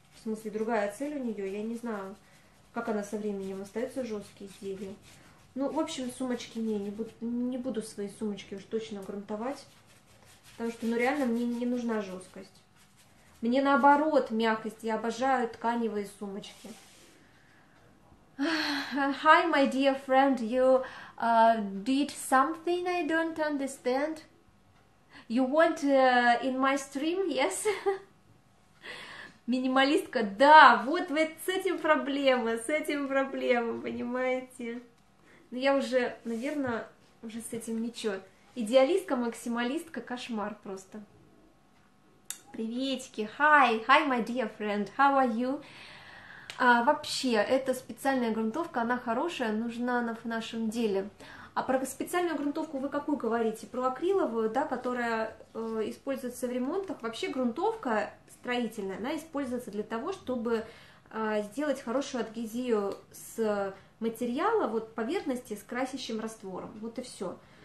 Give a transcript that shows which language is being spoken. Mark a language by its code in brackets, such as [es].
[ru] В смысле, другая цель у нее. Я не знаю, как она со временем остается жесткой изделие. Ну, в общем, сумочки не буду свои сумочки уж точно грунтовать. Потому что, ну, реально, мне не нужна жесткость. Мне наоборот мягкость. Я обожаю тканевые сумочки. [en] Hi, my dear friend. You did something I don't understand. You want in my stream, yes? [ru] Минималистка, да, вот с этим проблема, понимаете? Но я уже, наверное, уже с этим ничего. Идеалистка, максималистка, кошмар просто. Приветики, [en] hi, my dear friend, how are you? [ru] А, вообще, эта специальная грунтовка, она хорошая, нужна она в нашем деле. А про специальную грунтовку вы какую говорите? Про акриловую, да, которая используется в ремонтах? Вообще грунтовка строительная, она используется для того, чтобы сделать хорошую адгезию с материала, вот поверхности с красящим раствором. Вот и все.